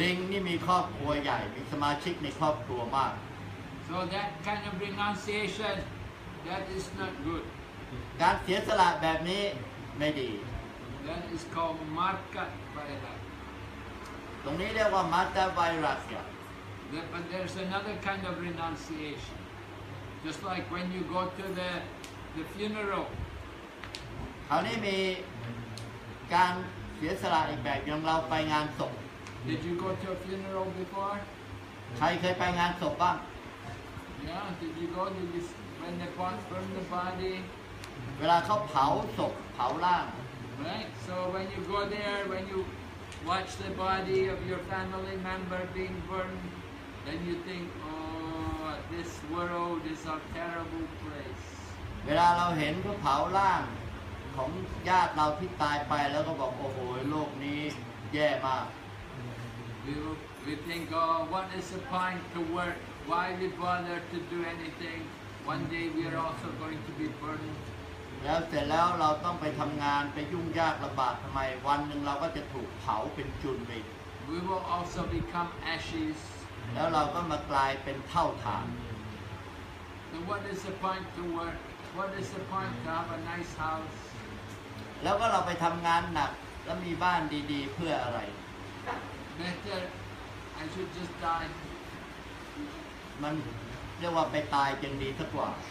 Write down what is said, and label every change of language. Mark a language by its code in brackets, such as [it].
[th] ลิงนี่มีครอบครัวใหญ่มีสมาชิกในครอบครัวมาก [en] So that kind of renunciation that is not good [th] การเสียสละแบบนี้ไม่ดี [en] That is called Marga Vairagya [th] ตรงนี้เรียกว่า Marga Vairagya [en] But there's another kind of renunciationJust like when you go to the funeral. [th] คราวนี้มีการเสียสละอีกแบบอย่างเราไปงานศพ [en] Did you go to a funeral before? [th] ใครเคยไปงานศพบ้าง [en] Yeah, did you go to this when they burn the body? [th] เวลาเขาเผาศพเผาร่าง [en] right so when you go there when you watch the body of your family member being burned then you think oh this world is a terrible place [th] เวลาเราเห็นเขาเผาร่างของญาติเราที่ตายไปแล้วก็บอกโอ้โหโลกนี้แย่มาก [en] we think oh what is the point to work why we bother to do anything one day we are also going to be burned [th] แล้วเสร็จแล้วเราต้องไปทำงานไปยุ่งยากลำบากทำไมวันหนึ่งเราก็จะถูกเผาเป็นจุนไป [en] We will also become ashes [th] แล้วเราก็มากลายเป็นเท่าฐาน [en] Then what is the point to work? What is the point to have a nice house? [th] แล้วก็เราไปทำงานหนักแล้วมีบ้านดีๆเพื่ออะไร [en] Better I should just die [th] มันเรียกว่าไปตายยังดีซะกว่า